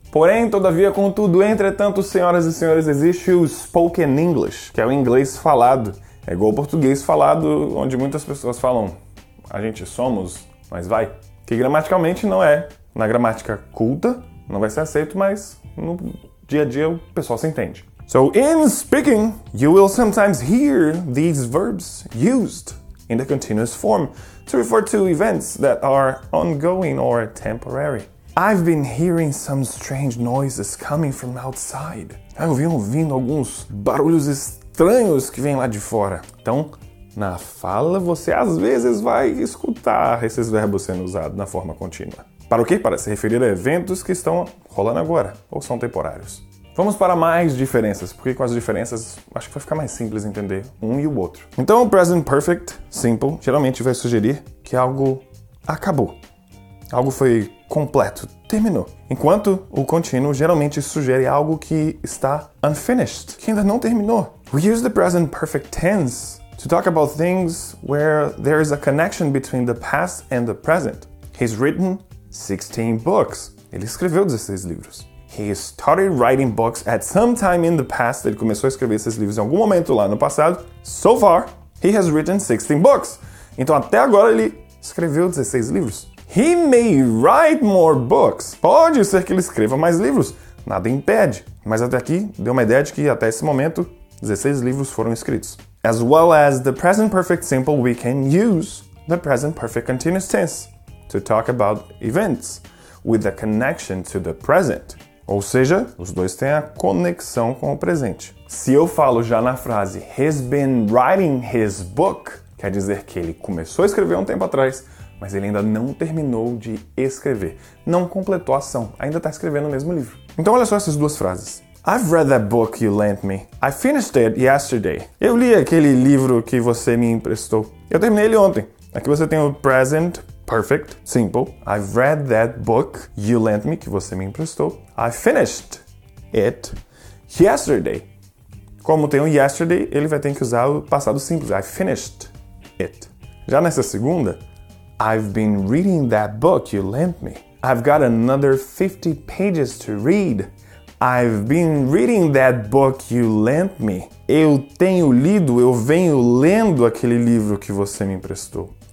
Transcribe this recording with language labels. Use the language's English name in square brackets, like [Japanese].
[Portuguese] Porém, todavia, contudo, entretanto, senhoras e senhores, existe o spoken English, que é o inglês falado. É igual o português falado, onde muitas pessoas falam a gente somos, mas vai. Que gramaticalmente não é. Na gramática culta, não vai ser aceito, mas no dia a dia o pessoal se entende. [English] So, in speaking, you will sometimes hear these verbs used in the continuous form to refer to events that are ongoing or temporary. I've been hearing some strange noises coming from outside. [Portuguese] Eu venho ouvindo alguns barulhos estranhos que vêm lá de fora. Então, na fala, você às vezes vai escutar esses verbos sendo usados na forma contínua. Para o quê? Para se referir a eventos que estão rolando agora, ou são temporários. Vamos para mais diferenças, porque com as diferenças, acho que vai ficar mais simples entender um e o outro. Então, o present perfect, simple, geralmente vai sugerir que algo acabou. Algo foi completo, terminou. Enquanto o contínuo geralmente sugere algo que está unfinished, que ainda não terminou. [English] We use the present perfect tense to talk about things where there is a connection between the past and the present. He's written 16 books. [Portuguese] Ele escreveu 16 livros. [English] He started writing books at some time in the past. [Portuguese] Ele começou a escrever esses livros em algum momento lá no passado. [English] So far, he has written 16 books. [Portuguese] Então até agora ele escreveu 16 livros. [English] He may write more books. [Portuguese] Pode ser que ele escreva mais livros. Nada impede. Mas até aqui, deu uma ideia de que até esse momento, 16 livros foram escritos. [English] As well as the present perfect simple, we can use the present perfect continuous tense to talk about events with a connection to the present. [Portuguese] Ou seja, os dois têm a conexão com o presente. Se eu falo já na frase, [English] he's been writing his book, [Portuguese] quer dizer que ele começou a escrever um tempo atrás, mas ele ainda não terminou de escrever. Não completou a ação. Ainda está escrevendo o mesmo livro. Então olha só essas duas frases. [English] I've read that book you lent me. I finished it yesterday. [Portuguese] Eu li aquele livro que você me emprestou. Eu terminei ele ontem. Aqui você tem o present perfect, simple. [English] I've read that book you lent me, [Portuguese] que você me emprestou. [English] I finished it yesterday. [Portuguese] Como tem o yesterday, ele vai ter que usar o passado simples. [English] I finished it. [Portuguese] Já nessa segunda, [English] I've been reading that book you lent me. I've got another 50 pages to read. I've been reading that book you lent me. [Portuguese] Eu tenho lido, eu venho lendo aquele livro que você me emprestou.